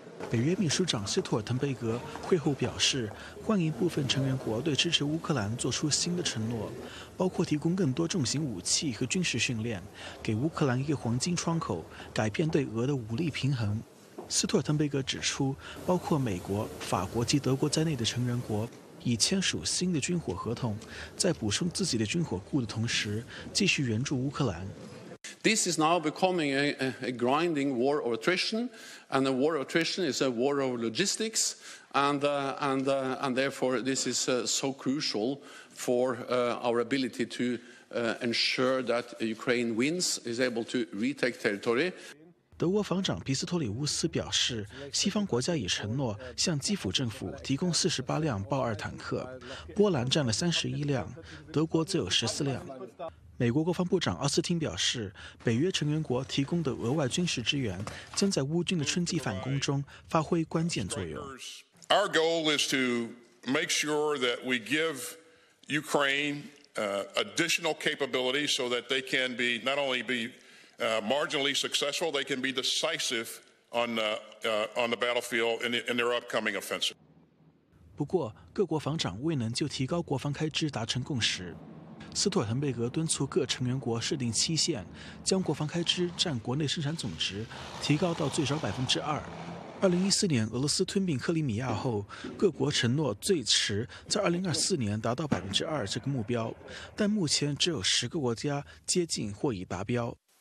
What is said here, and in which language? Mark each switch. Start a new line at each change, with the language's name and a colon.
Chinese: 北约秘书长斯图尔滕贝格会后表示，欢迎部分成员国对支持乌克兰做出新的承诺，包括提供更多重型武器和军事训练，给乌克兰一个黄金窗口，改变对俄的武力平衡。斯图尔滕贝格指出，包括美国、法国及德国在内的成员国已签署新的军火合同，在补充自己的军火库的同时，继续援助乌克兰。
English: This is now becoming a grinding war of attrition, and a war of attrition is a war of logistics, and therefore this is so crucial for our ability to ensure that Ukraine wins, is able to retake territory.
Chinese: 德国防长皮斯托里乌斯表示，西方国家已承诺向基辅政府提供48辆豹二坦克，波兰占了31辆，德国则有14辆。美国国防部长奥斯汀表示，北约成员国提供的额外军事支援将在乌军的春季反攻中发挥关键作用。
English: Our goal is to make sure that we give Ukraine additional capability so that they can be not only beMarginally successful, they can be decisive on the battlefield in their upcoming offensive.
Chinese: 不过，各国防长未能就提高国防开支达成共识。斯图尔滕贝格敦促各成员国设定期限，将国防开支占国内生产总值提高到最少2%。 2014年俄罗斯吞并克里米亚后，各国承诺最迟在2024年达到2%这个目标，但目前只有10个国家接近或已达标。